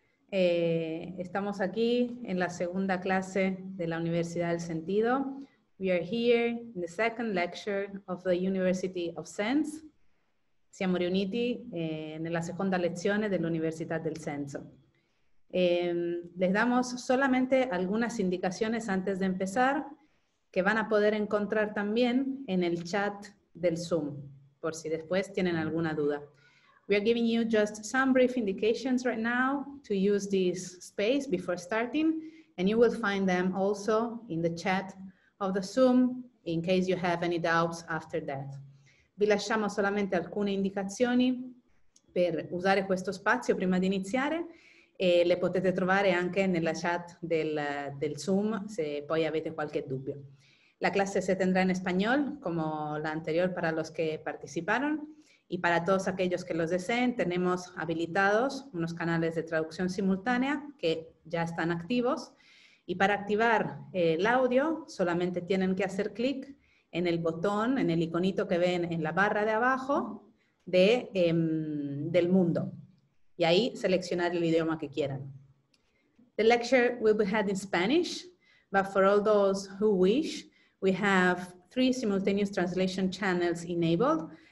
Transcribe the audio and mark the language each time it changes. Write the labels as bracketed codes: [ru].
[es] Estamos aquí en la segunda clase de la Universidad del Sentido. [en] We are here in the second lecture of the University of Sense. [it] Siamo riuniti nella seconda lezione dell'Università del Senso. [es] Les damos solamente algunas indicaciones antes de empezar, que van a poder encontrar también en el chat del Zoom, por si después tienen alguna duda. [en] We are giving you just some brief indications right now to use this space before starting, and you will find them also in the chat of the Zoom in case you have any doubts after that. [it] Vi lasciamo solamente alcune indicazioni per usare questo spazio prima di iniziare, e le potete trovare anche nella chat del Zoom se poi avete qualche dubbio. [es] La clase se tendrá en español, como la anterior para los que participaron, y para todos aquellos que los deseen, tenemos habilitados unos canales de traducción simultánea que ya están activos, y para activar el audio solamente tienen que hacer clic en el botón, en el iconito que ven en la barra de abajo del mundo, y ahí seleccionar el idioma que quieran. [en] The lecture will be held in Spanish, but for all those who wish, we have three simultaneous translation channels enabled.